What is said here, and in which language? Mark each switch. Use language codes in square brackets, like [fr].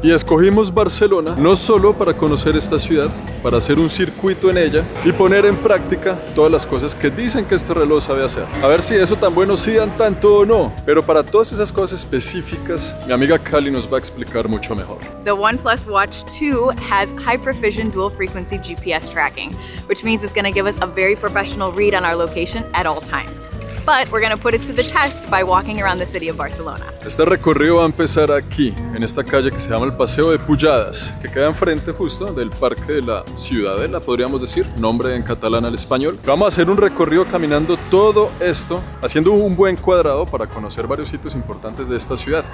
[es] Y escogimos Barcelona no solo para conocer esta ciudad, para hacer un circuito en ella y poner en práctica todas las cosas que dicen que este reloj sabe hacer. A ver si eso tan bueno sí dan tanto o no, pero para todas esas cosas específicas, mi amiga Callie nos va a explicar mucho mejor. [en] The OnePlus Watch 2 has high precision dual frequency GPS tracking, which means it's going to give us a very professional read on our location at all times. But we're going to put it to the test by walking around the city of Barcelona. [es] Este recorrido va a empezar aquí, en esta calle que se llama el Paseo de Pujadas, que queda enfrente justo del Parque de la Ciudadela, podríamos decir, nombre en catalán al español. Vamos a hacer un recorrido caminando todo esto, haciendo un buen cuadrado para conocer varios sitios importantes de esta ciudad.